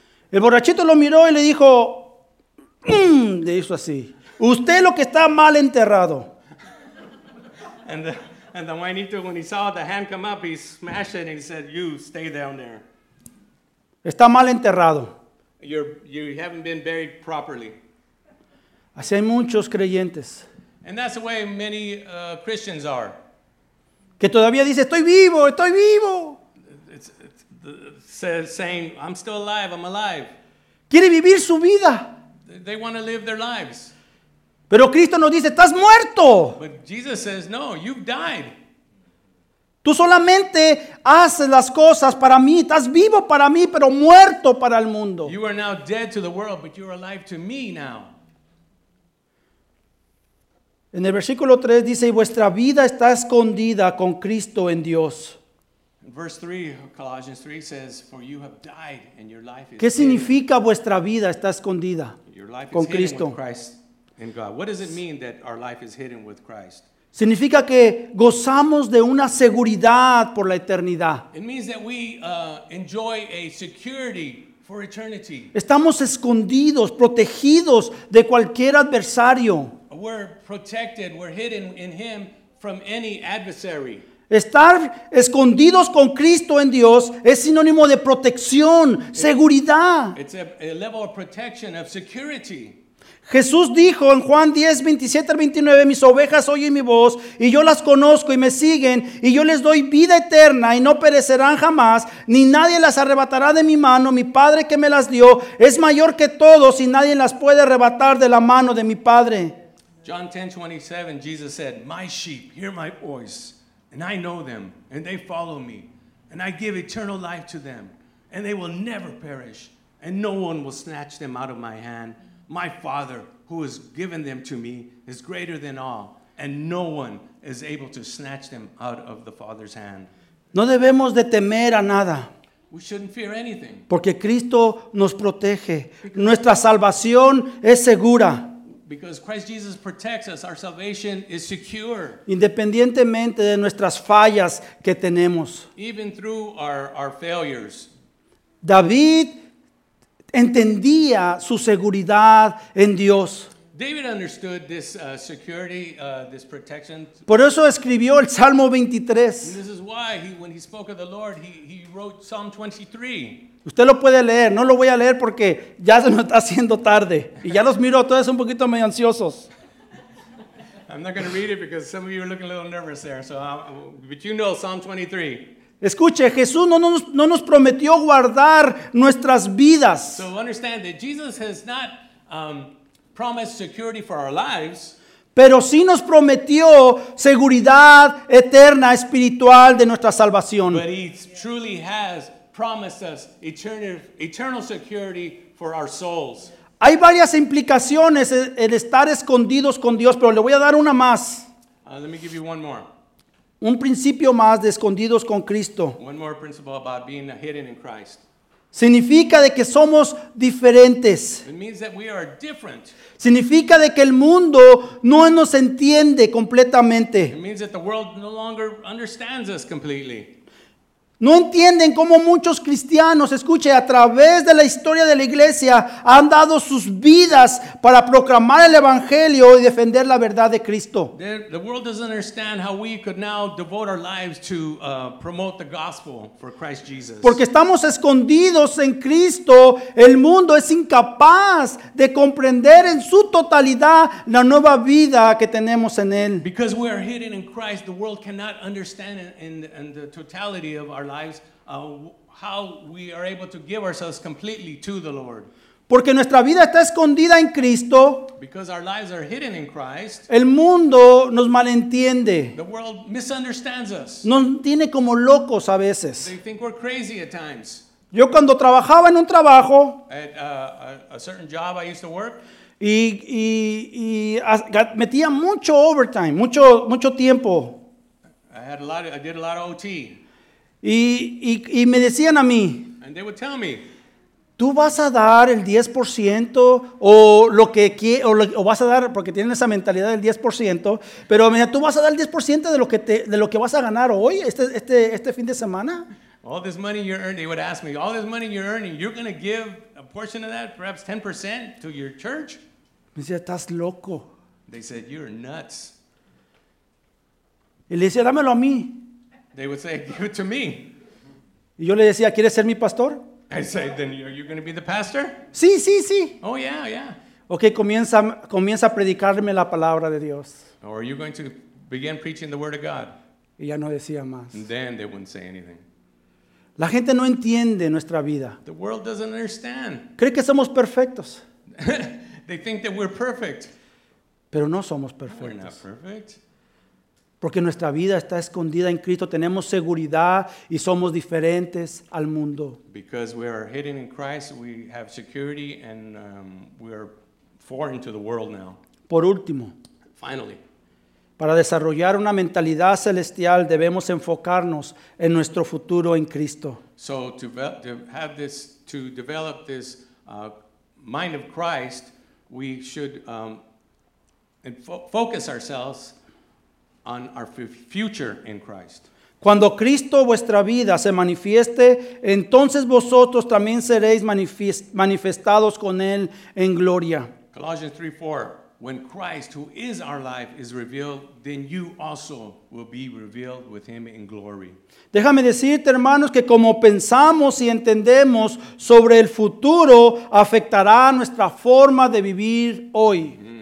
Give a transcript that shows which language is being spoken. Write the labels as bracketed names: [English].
[Spanish] El borrachito lo miró y le dijo, le hizo así. Usted lo que está mal enterrado. [English] And the Juanito, when he saw the hand come up, he smashed it and he said, you stay down there. [Spanish] Está mal enterrado. [English] You haven't been buried properly. [Spanish] Así hay muchos creyentes. [English] And that's the way many Christians are. [Spanish] Que todavía dice, estoy vivo, estoy vivo. [English] It's saying, I'm still alive, I'm alive. [Spanish] Quiere vivir su vida. [English] They want to live their lives. [Spanish] Pero Cristo nos dice, estás muerto. [English] But Jesus says, no, you've died. [Spanish] Tú solamente haces las cosas para mí. Estás vivo para mí, pero muerto para el mundo. [English] You are now dead to the world, but you are alive to me now. [Spanish] En el versículo 3 dice, y vuestra vida está escondida con Cristo en Dios. [English] Verse 3, Colossians 3 says, for you have died and your life is [Spanish] ¿Qué significa vuestra vida está escondida [English] your life [Spanish] con [English] is [Spanish] Cristo? [English] With Christ. In God. What does it mean that our life is hidden with Christ? [Spanish] Significa que gozamos de una seguridad por la eternidad. [English] It means that we enjoy a security for eternity. [Spanish] Estamos escondidos, protegidos de cualquier adversario. [English] We're protected, we're hidden in Him from any adversary. [Spanish] Estar escondidos con Cristo en Dios es sinónimo de protección, seguridad. [English] It's a level of protection, of security. [Spanish] Jesús dijo en Juan 10:27-29, mis ovejas oyen mi voz, y yo las conozco y me siguen, y yo les doy vida eterna y no perecerán jamás, ni nadie las arrebatará de mi mano, mi Padre que me las dio es mayor que todos y nadie las puede arrebatar de la mano de mi Padre. [English] John 10:27, Jesus said, my sheep hear my voice, and I know them, and they follow me, and I give eternal life to them, and they will never perish, and no one will snatch them out of my hand. My Father, who has given them to me, is greater than all, and no one is able to snatch them out of the Father's hand. [Spanish] No debemos de temer a nada. [English] We shouldn't fear anything. [Spanish] Porque Cristo nos protege. Because nuestra salvación es segura. [English] Because Christ Jesus protects us, our salvation is secure. [Spanish] Independientemente de nuestras fallas que tenemos. [English] Even through our failures. [Spanish] David entendía su seguridad en Dios. [English] David understood this security, this protection. [Spanish] Por eso escribió el Salmo 23. [English] And this is why when he spoke of the Lord, he wrote Psalm 23. [Spanish] Usted lo puede leer, no lo voy a leer porque ya se nos está haciendo tarde y ya los miro todos un poquito medio ansiosos. [English] I'm not going to read it because some of you are looking a little nervous there. So but you know Psalm 23. [Spanish] Escuche, Jesús no nos prometió guardar nuestras vidas. [English] So understand that Jesus has not promised security for our lives. [Spanish] Pero sí nos prometió seguridad eterna, espiritual de nuestra salvación. [English] But he truly has promised us eternal security for our souls. [Spanish] Hay varias implicaciones en estar escondidos con Dios, pero le voy a dar una más. [English] Let me give you one more. [Spanish] Un principio más de escondidos con Cristo. [English] One more principle about being hidden in Christ. [Spanish] Significa de que somos diferentes. [English] It means that we are different. [Spanish] Significa de que el mundo no nos entiende completamente. [English] It means that the world no longer understands us completely. [Spanish] No entienden cómo muchos cristianos, escuche, a través de la historia de la iglesia, han dado sus vidas para proclamar el evangelio y defender la verdad de Cristo. [English] The world doesn't understand how we could now devote our lives to promote the gospel for Christ Jesus. [Spanish] Porque estamos escondidos en Cristo, el mundo es incapaz de comprender en su totalidad la nueva vida que tenemos en él. [English] Because we are hidden in Christ, the world cannot understand in the totality of our lives, how we are able to give ourselves completely to the Lord. [Spanish] Porque nuestra vida está escondida en Cristo. [English] Because our lives are hidden in Christ. [Spanish] El mundo nos malentiende. [English] The world misunderstands us. [Spanish] Nos tiene como locos a veces. [English] They think we're crazy at times. [Spanish] Yo cuando trabajaba en un trabajo, [English] at a certain job I used to work, [Spanish] y metía mucho overtime, mucho tiempo. [English] I did a lot of OT. [Spanish] Y me decían a mí, [English] and they would tell me, [Spanish] tú vas a dar el 10% o lo que o vas a dar, porque tienen esa mentalidad del 10%, pero me decían, tú vas a dar el 10% de lo que vas a ganar hoy, este fin de semana. [English] All this money you're earning, they would ask me, all this money you're earning, you're going to give a portion of that, perhaps 10% to your church? [Spanish] Me decía, estás loco. [English] They said, you're nuts. [Spanish] Y le decía, dámelo a mí. [English] They would say, give it to me. [Spanish] Y yo le decía, ¿quieres ser mi pastor? [English] I said, then are you going to be the pastor? [Spanish] Sí, sí, sí. [English] Oh, yeah, yeah. [Spanish] Okay, comienza a predicarme la palabra de Dios. [English] Or are you going to begin preaching the word of God? [Spanish] Y ya no decía más. [English] And then they wouldn't say anything. [Spanish] La gente no entiende nuestra vida. [English] The world doesn't understand. [Spanish] Cree que somos perfectos. [English] They think that we're perfect. [Spanish] Pero no somos perfectos. [English] We're not perfect. [Spanish] Porque nuestra vida está escondida en Cristo, tenemos seguridad y somos diferentes al mundo. [English] Because we are hidden in Christ, we have security and we are foreign to the world now. [Spanish] Por último, [English] finally, [Spanish] para desarrollar una mentalidad celestial, debemos enfocarnos en nuestro futuro en Cristo. [English] So to develop this mind of Christ, we should focus ourselves on our future in Christ. [Spanish] Cuando Cristo vuestra vida se manifieste, entonces vosotros también seréis manifestados con él en gloria. [English] Colossians 3:4. When Christ, who is our life, is revealed, then you also will be revealed with him in glory. [Spanish] Déjame decirte, hermanos, que como pensamos y entendemos sobre el futuro afectará nuestra forma de vivir hoy.